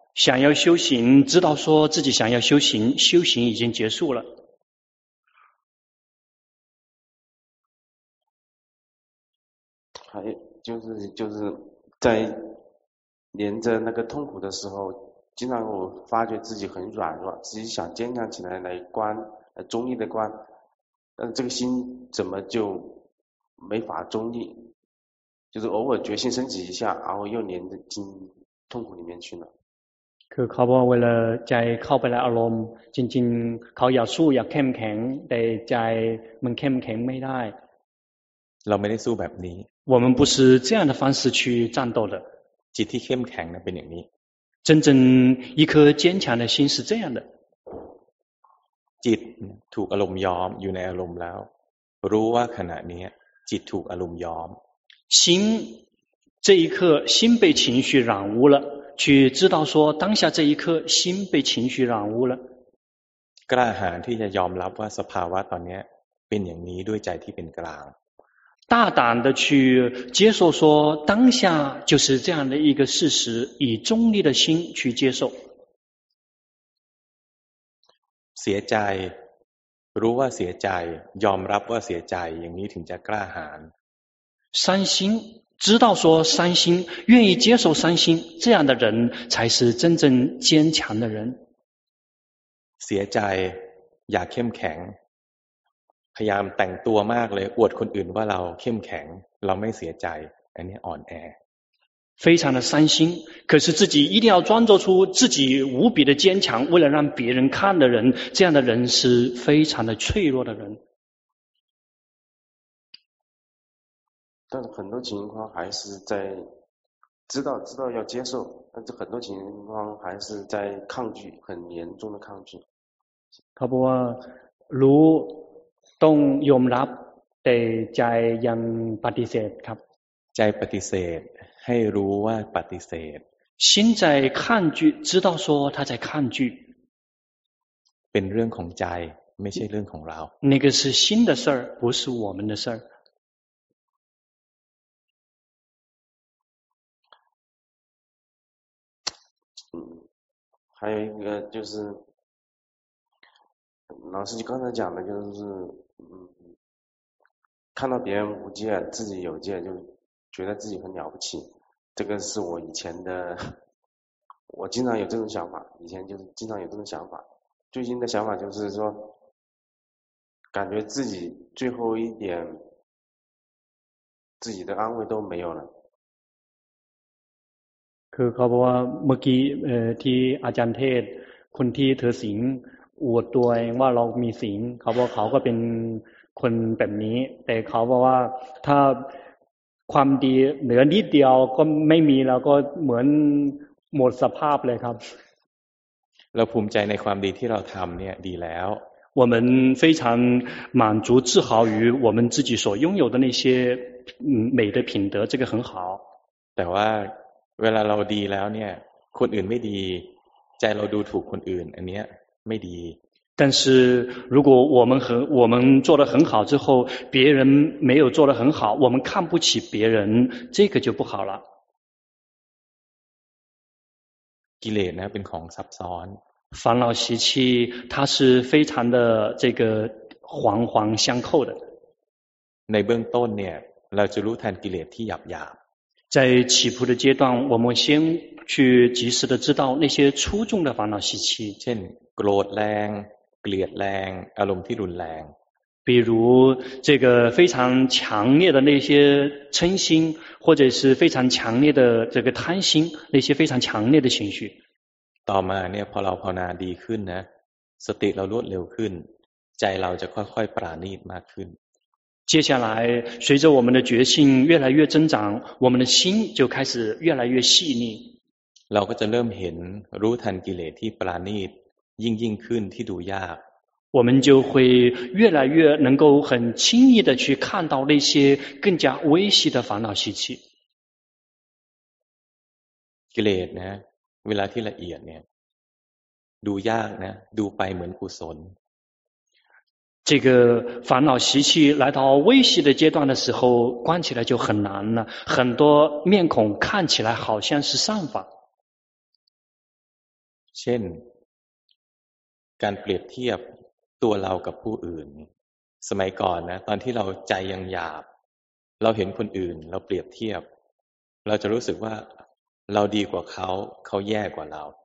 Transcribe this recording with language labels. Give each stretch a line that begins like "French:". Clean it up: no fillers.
Chinese: 想要修行知道说自己想要修行修行已经结束了还就是在连着那个痛苦的时候经常我发觉自己很软弱自己想坚强起来来观中立的观但这个心怎么就没法中立就是偶尔决心升起一下然后又连着进痛苦里面去了
Thai: คือเขาบอกเวลาใจเข้าไปในอารมณ์จริงๆเขาอยากสู้อยากเข้มแข็งแต่ใจมันเข้มแข็งไม่ได้ เราไม่ได้สู้แบบนี้
Chinese: 我们不是这样的方式去战斗的
Thai: จิตที่เข้มแข็งนะเป็นอย่างนี้
Chinese: 真正一颗坚强的心是这样的
Thai: จิตถูกอารมณ์ยอมอยู่ในอารมณ์แล้วรู้ว่าขณะนี้จิตถูกอารมณ์ยอม
Chinese: 心这一刻心被情绪染污了去知道说当下这一刻心被情绪染污了
Thai: กล้าหาญที่จะยอมรับว่าสภาวะตอนนี้เป็นอย่างนี้ด้วยใจที่เป็นกลาง
Chinese: 大胆的去接受说当下就是这样的一个事实以中立的心去接受
Thai: เสียใจรู้ว่าเสียใจยอมรับว่าเสียใจอย่างนี้ถึงจะกล้าหาญ
Chinese: 伤心知道说伤心愿意接受伤心这样的人才是真正坚强的人
Thai: เสียใจอยากเข้มแข็งพยายามแต่งตัวมากเลยอวดคนอื่นว่าเราเข้มแข็งเราไม่เสียใจอันนี้อ่อนแอ
Chinese: 非常的伤心可是自己一定要装作出自己无比的坚强为了让别人看的人这样的人是非常的脆弱的人但是很多情况还是在知道要接受，但是很多情况还是在抗拒，很严重的抗拒。他不说
Thai: รู้ต้องยอมรับแต่ใจยังปฏิเสธครับ ใจปฏิเสธให้รู้ว่าปฏิเสธ
Chinese: 心在抗拒知道说他在抗拒
Thai: เป็นเรื่องของใจไม่ใช่เรื่องของเรา
Chinese: 那个是心的事儿不是我们的事儿还有一个就是老师你刚才讲的就是看到别人无戒自己有戒就觉得自己很了不起这个是我以前的我经常有这种想法以前就是经常有这种想法最近的想法就是说感觉自己最后一点自己的安慰都没有了
Thai: คือเขาบอกว่าเมื่อกี้ที่อาจารย์เทศคนที่เธอสิงอวดตัวเองว่าเรามีสิงเขาบอกเขาก็เป็นคนแบบนี้แต่เขาบอกว่าถ้าความดีเหลือนิดเดียวก็ไม่มีแล้วก็เหมือนหมดสภาพเลยครับ เราภูมิใจในความดีที่เราทำเนี่ยดีแล้ว
Chinese: 我们非常满足自豪于我们自己所拥有的那些美的品德这个很好
Thai: แต่ว่าเวลาเราดีแล้วเนี่ยคนอื่นไม่ดีใจเราดูถูกคนอื่นอันเนี้ยไม่ดี
Chinese: 但是如果我们做得很好之后别人没有做得很好我们看不起别人这个就不好了
Thai: กิเลสนะเป็นของซับซ้อน
Chinese: 烦恼习气它是非常的这个环环相扣的
Thai: ในเบื้องต้นเนี่ยเราจะรู้ทันกิเลสที่หยาบหยาบ
Chinese: 在起步的阶段我们先去及时的知道那些粗重的烦恼习气
Thai: เช่นโกรธแรงเกลียดแรงอารมณ์ที่รุนแรง
Chinese: 比如这个非常强烈的那些嗔心或者是非常强烈的这个贪心那些非常强烈的情绪
Thai: ต่อมาเนี่ยพอเราภาวนาดีขึ้นนะสติเรารวดเร็วขึ้นใจเราจะค่อยๆปราณีตมากขึ้น
Chinese: 接下来随着我们的觉性越来越增长我们的心就开始越来越细腻
Thai: เราก็จะเริ่มเห็นรู้ทันกิเลสที่ปราณีตยิ่งขึ้นที่ดูยาก
Chinese: 我们就会越来越能够很轻易的去看到那些更加微细的烦恼习气
Thai: กิเลสนะเวลาที่ละเอียดเนี่ยดูยากนะดูไปเหมือนกุศล
Chinese: 这个烦恼习气来到微细的阶段的时候关起来就很难了很多面孔看起来好像是善法
Thai: เช่นการเปรียบเทียบตัวเรากับผู้อื่นสมัยก่อนนะตอนที่เราใจยังหยาบเราเห็นคนอื่นเราเปรียบเทียบเราจะรู้สึกว่าเราดีกว่าเขาเขาแย่กว่าเรา